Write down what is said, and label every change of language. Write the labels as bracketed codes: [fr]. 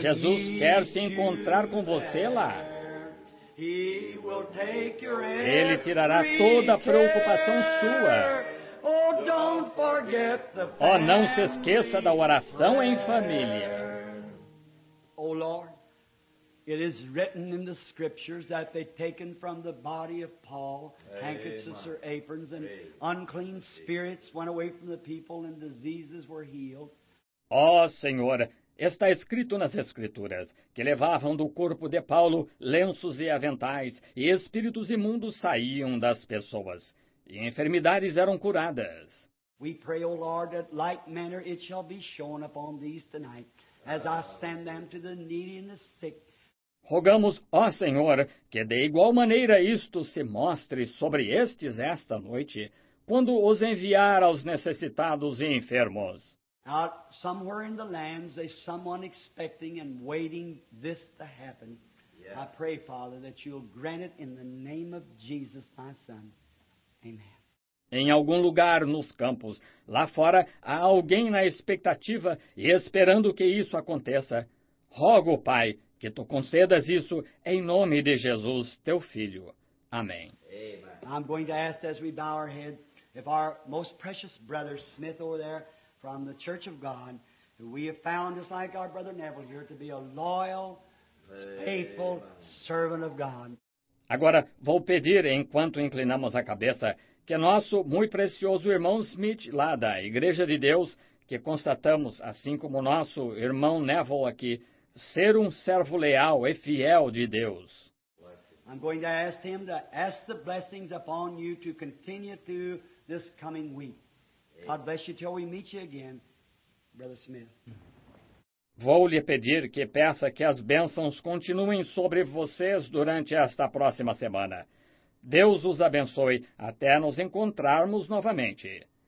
[pt] Jesus quer se encontrar com você lá. [en] He will take your every [pt] Ele tirará toda a preocupação [en] care. [pt] Sua. [en] Oh, don't forget the family. [pt] Oh, não se esqueça da oração em família. [en] Oh Lord, it is written in the scriptures that they taken from the body of Paul handkerchiefs or aprons and unclean spirits went away from the people and diseases were healed. [pt] Oh Senhor, está escrito nas escrituras que levavam do corpo de Paulo lenços e aventais e espíritos imundos saíam das pessoas e enfermidades eram curadas. [en] We pray, O Lord, that like manner it shall be shown upon these tonight. As I send them to the needy and the sick. [pt] Rogamos, ó Senhor, que de igual maneira isto se mostre sobre estes esta noite, quando os enviar aos necessitados e enfermos. [en] Out somewhere in the lands, there's someone expecting and waiting this to happen. Yes. I pray, Father, that you'll grant it in the name of Jesus, my Son. Amen. [pt] Em algum lugar nos campos, lá fora, há alguém na expectativa e esperando que isso aconteça. Rogo, Pai, que Tu concedas isso em nome de Jesus, Teu Filho. Amém. [en] I'm going to ask as we bow our heads, if our most precious brother Smith over there from the Church of God, who we have found just like our brother Neville here to be a loyal, faithful servant of God. [pt] Agora, vou pedir, enquanto inclinamos a cabeça, que nosso muito precioso irmão Smith, lá da Igreja de Deus, que constatamos, assim como nosso irmão Neville aqui, ser um servo leal e fiel de Deus. [en] I'm going to ask him to ask the blessings upon you to continue through this coming week. God bless you till we meet you again, Brother Smith. [pt] Vou lhe pedir que peça que as bênçãos continuem sobre vocês durante esta próxima semana. Deus os abençoe até nos encontrarmos novamente.